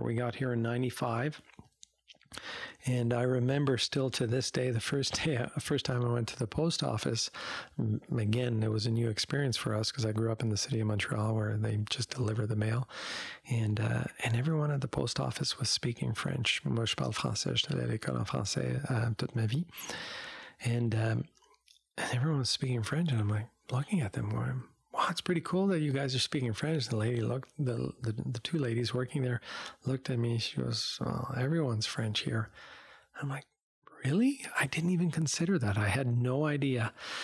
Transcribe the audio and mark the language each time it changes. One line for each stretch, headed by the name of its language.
English: We got here in 95. And I remember still to this day, the first time I went to the post office, again, it was a new experience for us because I grew up in the city of Montreal where they just deliver the mail. And everyone at the post office was speaking French.
French: Moi, je parle français. Je suis allé à l'école en français toute ma vie.
English: And everyone was speaking French. And I'm like, looking at them, going, wow, it's pretty cool that you guys are speaking French. The lady looked, the two ladies working there looked at me. She goes, well, everyone's French here. I'm like, really? I didn't even consider that. I had no idea.